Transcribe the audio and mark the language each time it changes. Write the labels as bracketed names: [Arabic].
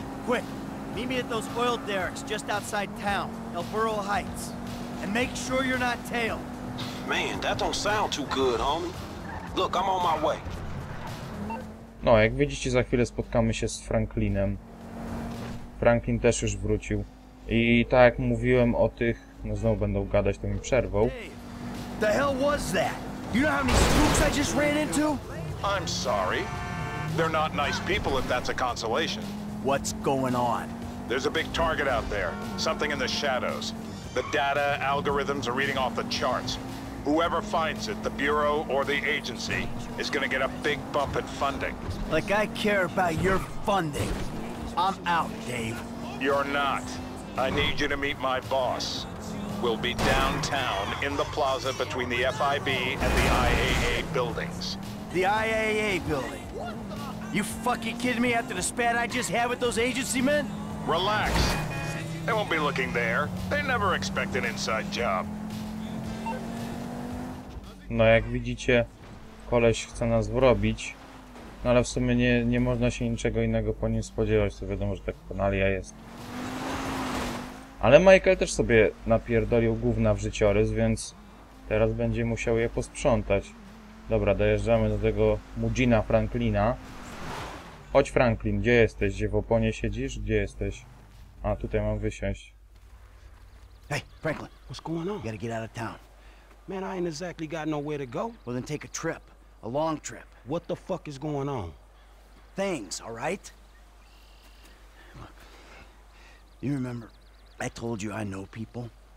[English] Quick, meet me at those oil derricks just outside town, El Burro Heights. And make sure you're not tailed. Man, that don't sound too good, homie. Look, I'm on my way. [Polish] No, jak widzicie, za chwilę spotkamy się z Franklinem. Franklin też już wrócił. I tak jak mówiłem o tych... No, znowu będą gadać, to mi przerwą. [English] The hell was that? You know how many spooks I just ran into? I'm sorry. They're not nice people, if that's a consolation. What's going on? There's a big target out there. Something in the shadows. The data algorithms are reading off the charts. Whoever finds it, the Bureau or the agency, is gonna get a big bump in funding. Like I care about your funding. I'm out, Dave. You're not. I need you to meet my boss. We'll be downtown in the plaza between the FIB and the IAA buildings. The IAA building? You fucking kidding me after the spat I just had with those agency men? Relax. They won't be looking there. They never expect an inside job. [Polish] No, jak widzicie, koleś chce nas wrobić. No, ale w sumie nie można się niczego innego po nim spodziewać. To wiadomo, że tak kanalia jest. Ale Michael też sobie napierdolił gówna w życiorys, więc teraz będzie musiał je posprzątać. Dobra, dojeżdżamy do tego Mugina Franklina. Chodź, Franklin, gdzie jesteś? Gdzie w oponie siedzisz? Gdzie jesteś? A, tutaj mam wysiąść. [English] Hey, Franklin, what's going on? You gotta get out of town. Man, I ain't exactly got nowhere to go. Well, then take a trip. A long trip. What the fuck is going on? Things, all right? Look, you remember, I told you I know people.